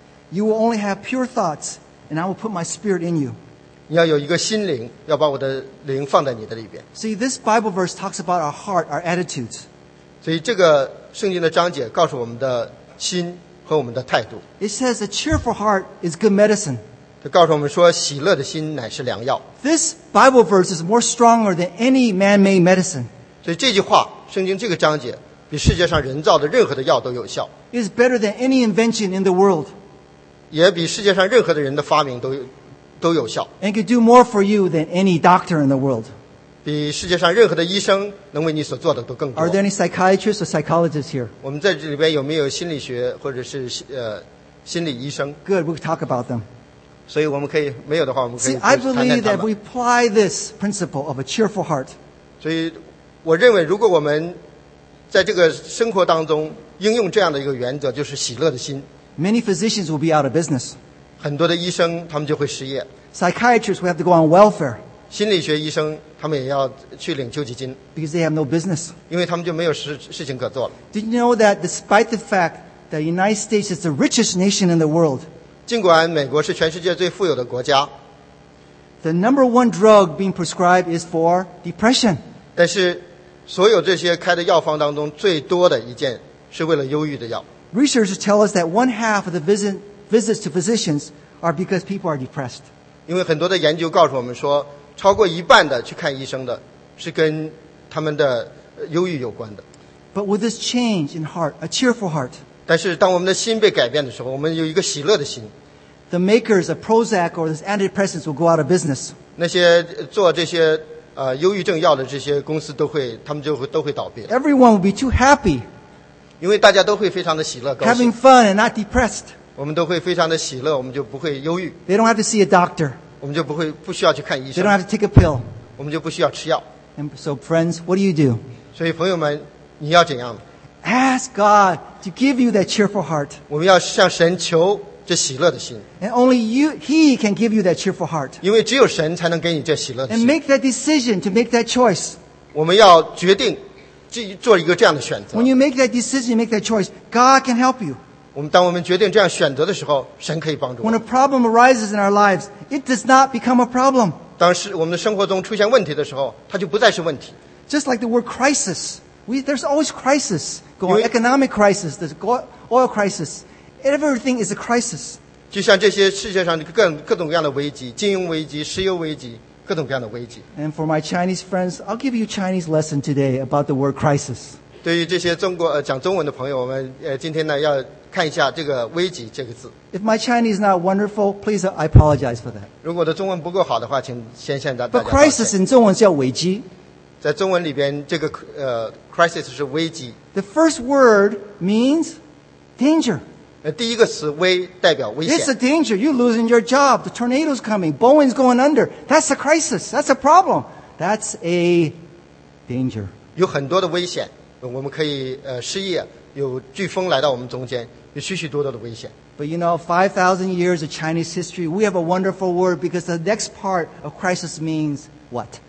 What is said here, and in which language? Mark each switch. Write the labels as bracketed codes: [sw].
[en] You will only have pure thoughts, and I will put my spirit in you. [zh] 你要有一个心灵，要把我的灵放在你的里边。 [en] See, this Bible verse talks about our heart, our attitudes. [zh] 所以这个圣经的章节告诉我们的心和我们的态度。 [en] It says a cheerful heart is good medicine. [zh] 它告诉我们说，喜乐的心乃是良药。 [en] This Bible verse is more stronger than any man-made medicine. [zh] 所以这句话，圣经这个章节比世界上人造的任何的药都有效。 [en] It's better than any invention in the world. [zh] 也比世界上任何的人的发明都有效。 [en] And could do more for you than any doctor in the world. [zh] 比世界上任何的医生能为你所做的都更多。 [en] Are there any psychiatrists or psychologists here? [zh] 我们在这里边有没有心理学或者是心理医生？ [en] Good, we can talk about them. [zh] 所以我们可以没有的话，我们可以谈谈他们。 [en] See, I believe that we apply this principle of a cheerful heart. [zh] 所以我认为，如果我们在这个生活当中应用这样的一个原则，就是喜乐的心。 [en] Many physicians will be out of business. [zh] 很多的医生他们就会失业。 [en] Psychiatrists will have to go on welfare. [zh] 心理学医生他们也要去领救济金。 [en] Because they have no business. [zh] 因为他们就没有事情可做了。 [en] Did you know that despite the fact that the United States is the richest nation in the world, [zh] 尽管美国是全世界最富有的国家， [en] the number one drug being prescribed is for depression. [zh] 但是所有这些开的药方当中最多的一件是为了忧郁的药。 [en] Researchers tell us that one half of the visits to physicians are because people are depressed. [zh] 因为很多的研究告诉我们说，超过一半的去看医生的是跟他们的忧郁有关的。 [en] But with this change in heart, a cheerful heart, [zh] 但是当我们的心被改变的时候，我们有一个喜乐的心。 [en] The makers of Prozac or these antidepressants will go out of business. [zh] 那些做这些忧郁症药的这些公司都会，他们就会都会倒闭。 [en] Everyone will be too happy. [zh] 因为大家都会非常的喜乐高兴。 [en] Having fun and not depressed. [zh] 我们都会非常的喜乐，我们就不会忧郁。 [en] They don't have to see a doctor. [zh] 我们就不需要去看医生。 [en] They don't have to take a pill. [zh] 我们就不需要吃药。 [en] And so friends, what do you do? [zh] 所以朋友们，你要怎样？ [en] Ask God to give you that cheerful heart. [zh] 我们要向神求这喜乐的心。 [en] And only he can give you that cheerful heart. [zh] 因为只有神才能给你这喜乐的心。 [en] And make that decision to make that choice. [zh] 我们要决定做一个这样的选择。 [en] When you make that decision, make that choice, God can help you. [zh] 当我们决定这样选择的时候，神可以帮助我们。 [en] When a problem arises in our lives, it does not become a problem. [zh] 当我们的生活中出现问题的时候，它就不再是问题。 [en] Just like the word crisis, there's always crisis going on. Economic crisis, there's oil crisis. Everything is a crisis. [zh] 就像这些世界上各种各样的危机，金融危机、石油危机，各种各样的危机。 [en] And for my Chinese friends, I'll give you a Chinese lesson today about the word crisis. [zh] 对于这些讲中文的朋友，我们今天呢要看一下这个危机这个字。 [en] If my Chinese is not wonderful, please I apologize for that. [zh] 如果我的中文不够好的话，请先向大家。 [en] But crisis in [zh] 中文叫危机。在中文里边，这个crisis 是危机。 [en] The first word means danger. [zh] 第一个词危代表危险。 [en] It's a danger. You're losing your job. The tornado's coming. Boeing's going under. That's a crisis. That's a problem. That's a danger. [zh] 有很多的危险，我们可以失业，有飓风来到我们中间，有许许多多的危险。 [en] But you know, 5,000 years of Chinese history, we have a wonderful word because the next part of crisis means what?